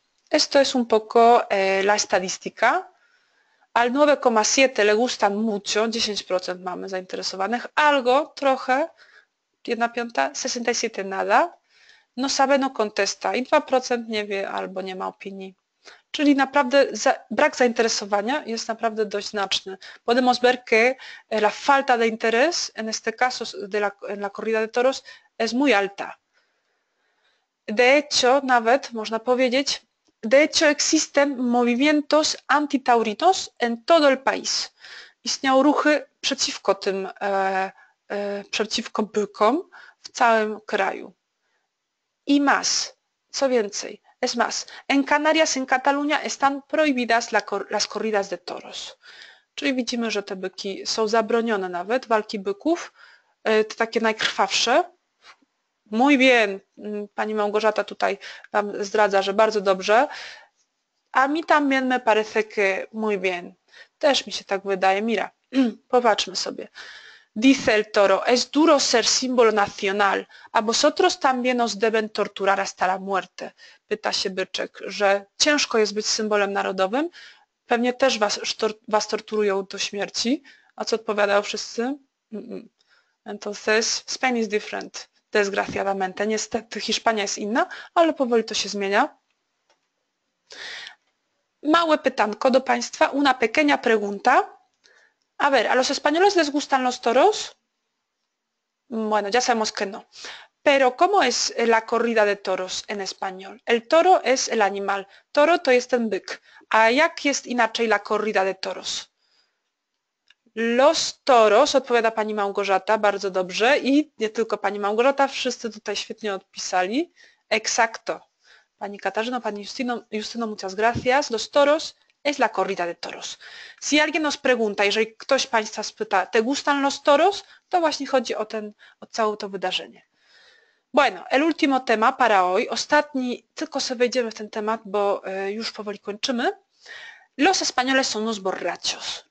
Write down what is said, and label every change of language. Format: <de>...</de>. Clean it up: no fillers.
<es>Esto es un poco la estadística. Al 9,7 le gustan mucho, 10%</es> <pl>mamy zainteresowanych.</pl> <es>Algo,</es> <pl>trochę,</pl> <es>1/5, 67 nada. No sabe, no contesta.</es> <pl>I 2% nie wie albo nie ma opinii. Czyli naprawdę brak zainteresowania jest naprawdę dość znaczny.</pl> <es>Podemos ver que la falta de interés, en este caso en la corrida de toros, es muy alta. De hecho,</es> <pl>nawet można powiedzieć,</pl> <es>de hecho existen movimientos antitaurinos en todo el país.</es> <pl>Istnieją ruchy przeciwko tym, przeciwko bykom w całym kraju.</pl> <es>I más,</es> <pl>co więcej,</pl> <es>es más, en Canarias, en Catalunya están prohibidas las corridas de toros.</es> <pl>Czyli widzimy, że te byki są zabronione nawet, walki byków, te takie najkrwawsze.</pl> <es>Muy bien,</es> <pl>pani Małgorzata tutaj wam zdradza, że bardzo dobrze.</pl> <es>A mi también me parece que muy bien.</es> <pl>Też mi się tak wydaje.</pl> <es>Mira,</es> <pl>popatrzmy sobie.</pl> <es>Dice el toro, es duro ser símbolo nacional. A vosotros también os deben torturar hasta la muerte.</es> <pl>Pyta się byczek, że ciężko jest być symbolem narodowym. Pewnie też was torturują do śmierci. A co odpowiadają wszyscy?</pl> <es>Entonces,</es> <en>Spain is different.</en> <es>Desgraciadamente.</es> <pl>Niestety Hiszpania jest inna, ale powoli to się zmienia. Małe pytanko do Państwa.</pl> <es>Una pequeña pregunta. A ver, ¿a los españoles les gustan los toros? Bueno, ya sabemos que no. Pero, ¿cómo es la corrida de toros en español? El toro es el animal.</es> <pl>Toro to jest ten byk. A jak jest inaczej</pl> <es>la corrida de toros?</es> <pl>Los toros, odpowiada pani Małgorzata, bardzo dobrze. I nie tylko pani Małgorzata, wszyscy tutaj świetnie odpisali.</pl> <es>Exacto. Pani Katarzyno, pani Justyno, muchas gracias. Los toros. Es la corrida de toros. Si alguien nos pregunta,</es> <pl>jeżeli ktoś Państwa spyta,</pl> <es>¿te gustan los toros?</es> <pl>To właśnie chodzi o całe to wydarzenie.</pl> <es>Bueno, el último tema para hoy.</es> <pl>Ostatni, tylko sobie wejdziemy w ten temat, bo już powoli kończymy.</pl> <es>Los españoles son unos borrachos.</es>